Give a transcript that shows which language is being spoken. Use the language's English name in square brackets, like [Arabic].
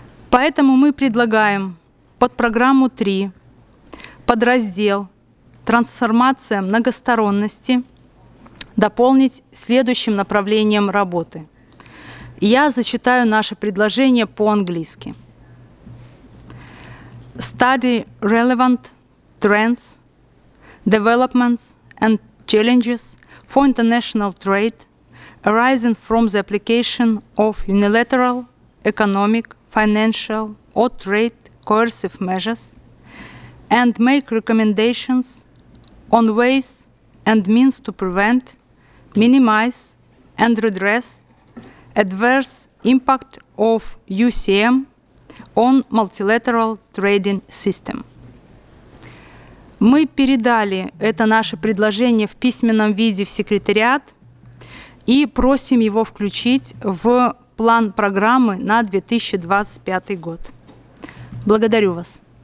[Russian] Поэтому мы предлагаем под программу 3, под раздел «Трансформация многосторонности» дополнить следующим направлением работы. Я зачитаю наше предложение по-английски. [English] Study relevant trends, developments and challenges for international trade arising from the application of unilateral economic, financial or trade coercive measures and make recommendations on ways and means to prevent, minimize and redress adverse impact of UCM on multilateral trading system. [Russian] Мы передали это наше предложение в письменном виде в секретариат и просим его включить в план программы на 2025 год. Благодарю вас.